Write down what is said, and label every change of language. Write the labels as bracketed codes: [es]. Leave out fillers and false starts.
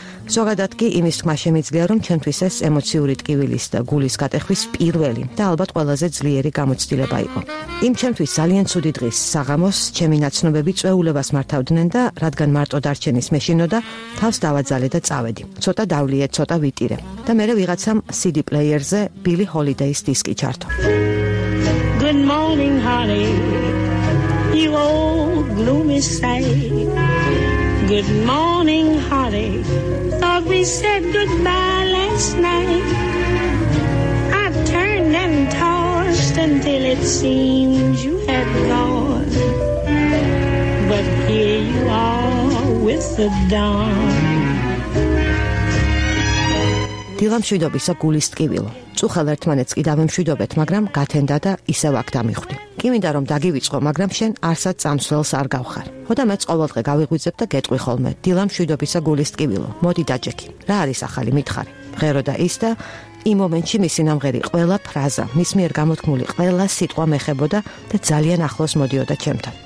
[ka] ზოგადად კი იმის თქმა შემიძლია, რომ ჩემთვის ეს ემოციური ტკივილის და გულის გატეხვის პირველი და ალბათ ყველაზე ძლიერი გამოცდილება იყო. იმ ჩემთვის ძალიან ცუდი დღის საღამოს ჩემი ნაცნობები წვეულებას მართავდნენ და რადგან მარტო დარჩენის მეშინოდა, თავს დავაძალე და წავედი. ცოტა დავლიე, ცოტა ვიტირე. და მერე ვიღაცამ CD პლეიერზე ბილი ჰოლიდეის დისკი ჩართო. [en] Good morning, honey, you old gloomy sight. Good morning, honey, thought we said goodbye last night. I turned and tossed until it seemed you had gone. But here you are with the dawn. [ka] დილამ შვიდობისა გულის ტკივილო. წუხალ ერთმანეთს კი დავემშვიდობეთ, მაგრამ გათენდა და ისევ აქ დამიხვდი. კი მინდა რომ დაგივიწყო, მაგრამ შენ არსად წამსვლელს არ გავხარ. ხოდა მეც ყოველდღე გავიღვიძებ და გეტყვი ხოლმე. დილა მშვიდობისა გულის ტკივილო. მოდი დაჯექი. რა არის ახალი მითხარი? მღერო და ის და იმ მომენტში მისი ნამღერი ყველა ფრაზა, მის მიერ გამოთქმული ყველა სიტყვა მეხებოდა და ძალიან ახლოს მოდიოდა ჩემთან.